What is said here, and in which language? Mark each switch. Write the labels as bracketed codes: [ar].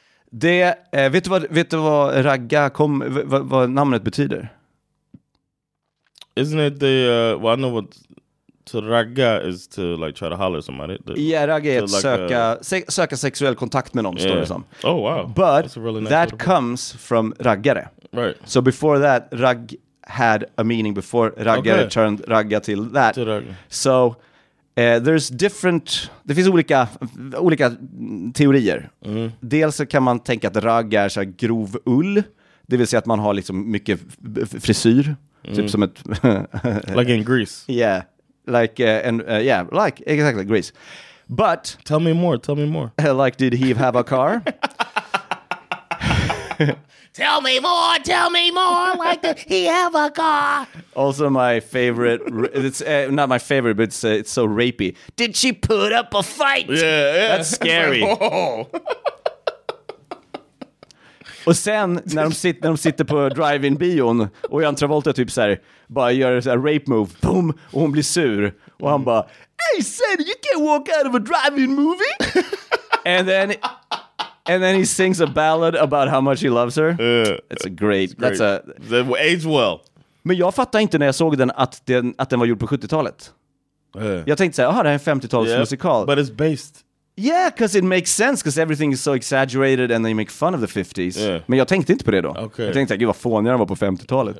[sv] Det, vet du vad ragga kom, vad namnet betyder? [en] Isn't it the, well I know what... To ragga is to like try to holler somebody. Yeah, [sv] ragga är att [en] like [sv] söka sexuell kontakt med någon, står det som. [en] Oh wow. But really nice that comes from raggare. Right. So before that, rag had a meaning before raggare turned ragga [sv] till [en] that. To ragga. So There's different, [sv] det finns olika, olika teorier. Mm. Dels så kan man tänka att ragga är så här grov ull. Det vill säga att man har liksom mycket frisyr. Mm. Typ som ett... [en] like in Greece. Yeah. Like, and, yeah, like, exactly, Greece. But... Tell me more. Like, did he have a car? Tell me more. Like, did he have a car? Also my favorite... It's not my favorite, but it's so rapey. Did she put up a fight? Yeah. That's scary. [sv] Och sen när de sitter på drive-in bion och Jan Travolta typ så här bara gör så här rape move, boom, och hon blir sur och han bara, [en] "Hey son, you can't walk out of a drive-in movie." and then he sings a ballad about how much he loves her. It's a great. That's a age well. [sv] Men jag fattar inte när jag såg den att den var gjord på 70-talet. Jag tänkte så här, det här är en 50-talsmusikal. [en] Yeah, but it's based. Yeah, because it makes sense, because everything is so exaggerated and they make fun of the 50s. Yeah. [sv] Men jag tänkte inte på det då. [en] Okay. [sv] Jag tänkte, gud vad fånigare de var på 50-talet.